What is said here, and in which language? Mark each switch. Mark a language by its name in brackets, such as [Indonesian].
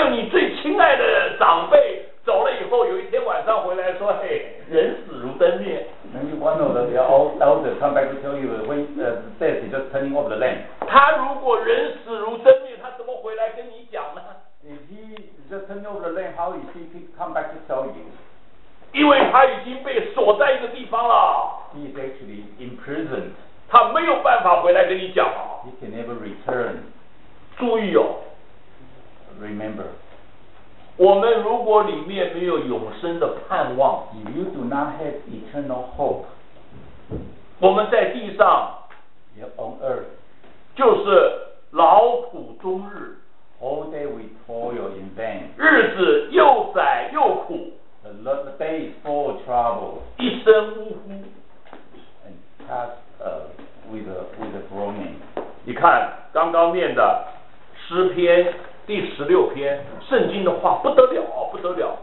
[Chinese] 最亲爱的长辈走了以后，有一天晚上回来说，嘿，人死如灯灭。 [English] And you want to know that all elders come back to tell you when death is just turning off the lamp. [Chinese] 他如果人死如灯灭，他怎么回来跟你讲呢？ [English] If he just turned over the lamp, how is he to come back to tell you? [Chinese] 因为他已经被锁在一个地方了。 [English] He is actually imprisoned. [Chinese] 他没有办法回来跟你讲。 [English] He can never return. [Chinese] 注意哦。 [English] Remember. [Chinese] 我们如果里面没有永生的盼望， [English] If you do not have eternal hope, [Chinese] 我们在地上， [English] You're on earth. [Chinese] 就是劳苦终日。 [English] All day we toil in vain. [Chinese] 日子又窄又苦。 [English] The day is full of trouble. [Chinese] 一生呜呼。 [English] And just with a groaning. [Chinese] 你看刚刚念的诗篇第十六篇，圣经的话不得了啊，不得了！